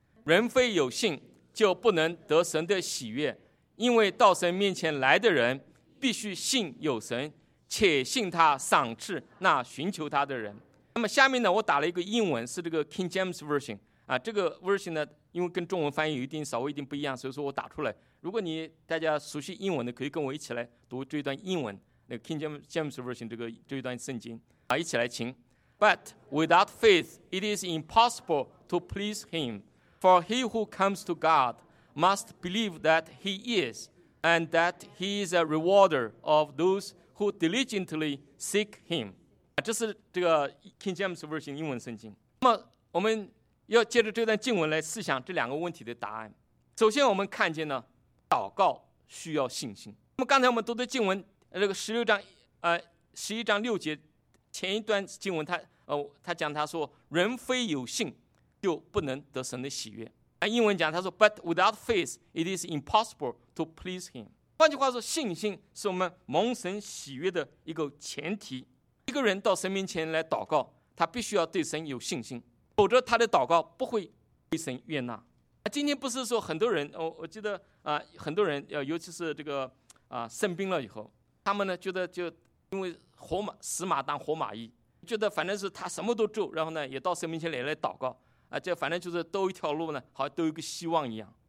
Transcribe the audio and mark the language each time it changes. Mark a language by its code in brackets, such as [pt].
[zh] 人非有信，就不能得神的喜悦，因为到神面前来的人，必须信有神，且信他赏赐那寻求他的人。那么下面呢，我打了一个英文，是这个 King James Version 啊，这个 Version 呢，因为跟中文翻译有一定稍微一定不一样，所以说我打出来。如果你大家熟悉英文的，可以跟我一起来读这一段英文，那个 King James Version 这一段圣经啊，一起来请。 [en] But without faith, it is impossible to please him. For he who comes to God must believe that he is, and that he is a rewarder of those who diligently seek him. [zh] 这是这个 King James Version 英文圣经。那么我们要借着这段经文来思想这两个问题的答案。首先我们看见呢，祷告需要信心。那么刚才我们读的经文，这个十六章，十一章六节，前一段经文他讲他说，人非有信就不能得神的喜悦。英文讲他说 [en] But without faith it is impossible to please him。 [zh] 换句话说，信心是我们蒙神喜悦的一个前提。一个人到神面前来祷告，他必须要对神有信心，否则他的祷告不会被神悦纳。今天不是说很多人，我记得很多人尤其是这个生病了以后，他们呢觉得就因为死马当活马医，觉得反正是他什么都做，然后呢也到神面前来祷告啊，这反正就是兜一条路呢，好像兜一个希望一样。